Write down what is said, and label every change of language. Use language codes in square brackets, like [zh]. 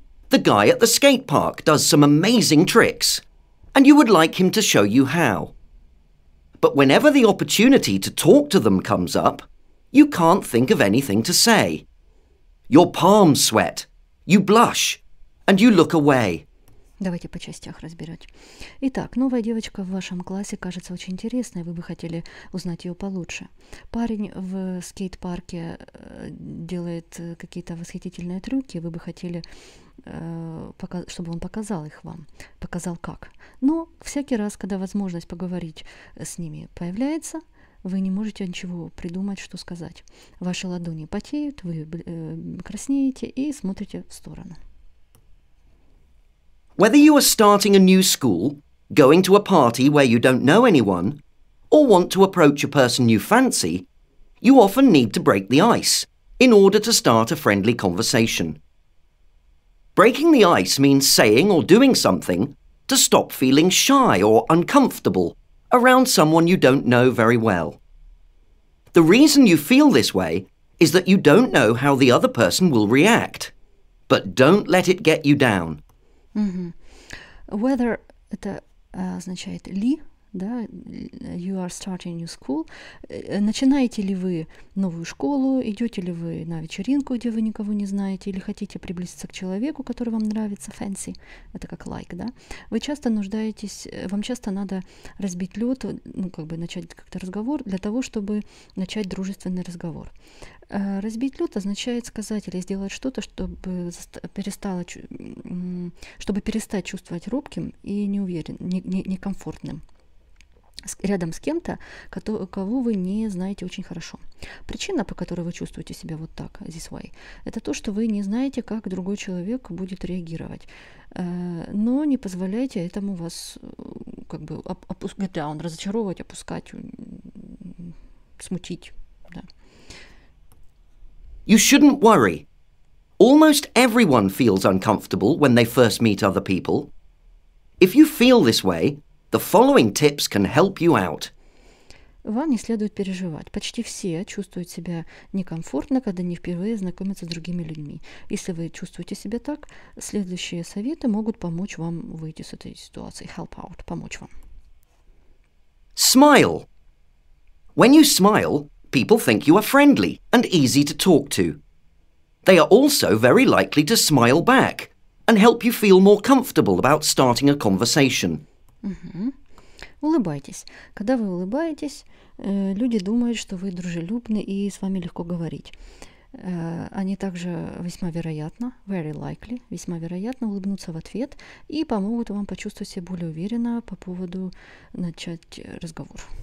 [en] The guy at the skate park does some amazing tricks, and you would like him to show you how. But whenever the opportunity to talk to them comes up, you can't think of anything to say. Your palms sweat, you blush, and you look away. [ru] Давайте по частях разбирать. Итак, новая девочка в вашем классе кажется очень интересной, вы бы хотели узнать ее получше. Парень в скейт-парке делает какие-то восхитительные трюки, вы бы хотели, чтобы он показал их вам, показал как. Но всякий раз, когда возможность поговорить с ними появляется, вы не можете ничего придумать, что сказать. Ваши ладони потеют, вы краснеете и смотрите в сторону. [en] Whether you are starting a new school, going to a party where you don't know anyone, or want to approach a person you fancy, you often need to break the ice in order to start a friendly conversation. Breaking the ice means saying or doing something to stop feeling shy or uncomfortable around someone you don't know very well. The reason you feel this way is that you don't know how the other person will react, but don't let it get you down. Угу. [ru] Whether это означает ли, да, [en] you are starting a new school, [ru] начинаете ли вы новую школу, идете ли вы на вечеринку, где вы никого не знаете, или хотите приблизиться к человеку, который вам нравится, fancy, это как like, да, вы часто нуждаетесь, вам часто надо разбить лед, ну, как бы начать как-то разговор для того, чтобы начать дружественный разговор. Разбить лед означает сказать или сделать что-то, чтобы перестать чувствовать робким и некомфортным рядом с кем-то, кого вы не знаете очень хорошо. Причина, по которой вы чувствуете себя вот так, [en] this way, [ru] это то, что вы не знаете, как другой человек будет реагировать, но не позволяйте этому вас как бы разочаровывать, опускать, смутить, да. [en] You shouldn't worry. Almost everyone feels uncomfortable when they first meet other people. If you feel this way, the following tips can help you out. [ru] Вам не следует переживать. Почти все чувствуют себя некомфортно, когда не впервые знакомятся с другими людьми. Если вы чувствуете себя так, следующие советы могут помочь вам выйти из этой ситуации. [en] Help out. [ru] Помочь вам. [en] Smile. When you smile, people think you are friendly and easy to talk to. They are also very likely to smile back and help you feel more comfortable about starting a conversation. [ru] Улыбайтесь. Когда вы улыбаетесь, люди думают, что вы дружелюбны и с вами легко говорить. Они также весьма вероятно, [en] very likely, [ru] весьма вероятно улыбнутся в ответ и помогут вам почувствовать себя более уверенно по поводу начать разговор.